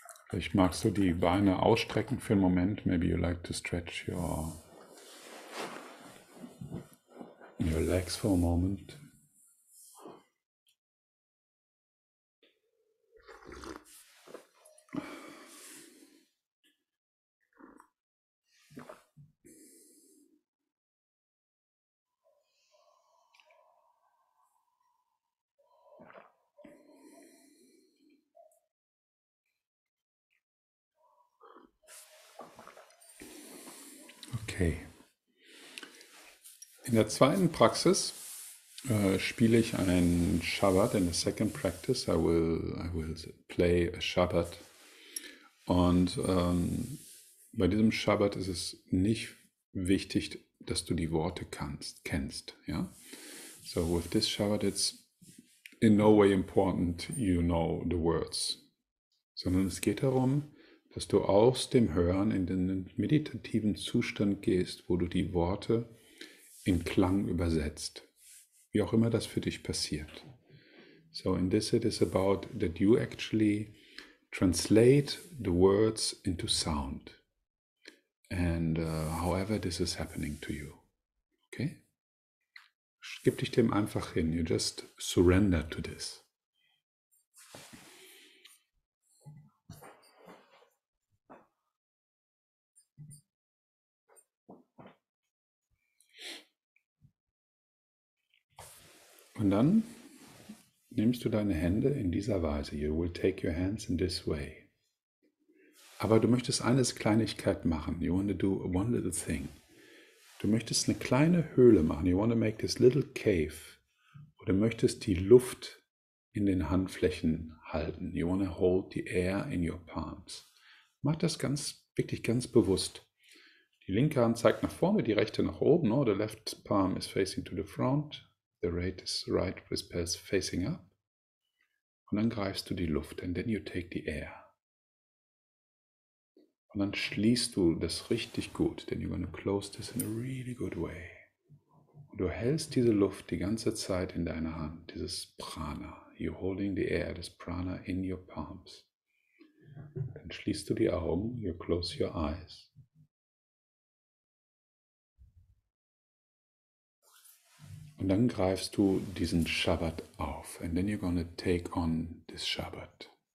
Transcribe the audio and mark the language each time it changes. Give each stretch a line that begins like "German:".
German: Vielleicht magst du die Beine ausstrecken für einen Moment.
English: Maybe you like to stretch your legs for a moment. Okay.
German: In der zweiten Praxis spiele ich einen Shabbat.
English: In the second practice I will play a Shabbat.
German: Und bei diesem Shabbat ist es nicht wichtig, dass du die Worte kennst. Ja?
English: So with this Shabbat it's in no way important you know the words.
German: Sondern es geht darum, dass du aus dem Hören in den meditativen Zustand gehst, wo du die Worte in Klang übersetzt, wie auch immer das für dich passiert.
English: So in this it is about that you actually translate the words into sound and however this is happening to you.
German: Okay? Gib dich dem einfach hin,
English: you just surrender to this.
German: Und dann nimmst du deine Hände in dieser Weise.
English: You will take your hands in this way.
German: Aber du möchtest eine Kleinigkeit machen.
English: You want to do one little thing.
German: Du möchtest eine kleine Höhle machen.
English: You want to make this little cave.
German: Oder du möchtest die Luft in den Handflächen halten.
English: You want to hold the air in your palms.
German: Mach das ganz, wirklich ganz bewusst. Die linke Hand zeigt nach vorne, die rechte nach oben.
English: Oder the left palm is facing to the front. The right is right whispers facing up.
German: Und dann greifst du die Luft.
English: And then you take the air.
German: Und dann schließt du das richtig gut.
English: Then you're going to close this in a really good way.
German: Und du hältst diese Luft die ganze Zeit in deiner Hand. Dieses Prana.
English: You're holding the air, this Prana in your palms.
German: Dann schließt du die Augen.
English: You close your eyes.
German: Und dann greifst du diesen Shabbat auf.
English: And then you're gonna take on this Shabbat.